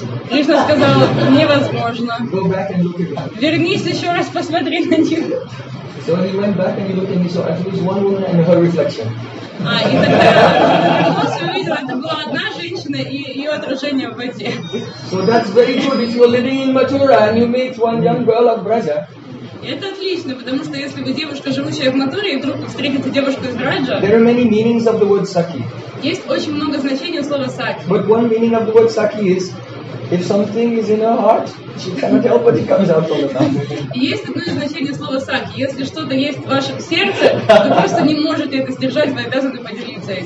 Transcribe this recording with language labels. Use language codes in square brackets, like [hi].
[ru] Кришна сказал: «Невозможно. Вернись еще раз, посмотри на них». [en] So he went back and he looked and he saw at least one woman and her reflection. So that's very good. If you're living in Mathura and you meet one young girl of Braja. [ru] Это отлично, потому что если вы девушка, живущая в Матуре, и вдруг встретите девушку из Браджа. [en] There are many meanings of the word sakhi. [ru] Есть очень много значений у слова sakhi. [en] But one meaning of the word sakhi is if something is in her heart, she cannot help but it comes out from the mouth. [ru] Есть одно из значений слова sakhi. Если что-то есть в вашем сердце, вы просто не можете это сдержать, вы обязаны поделиться этим.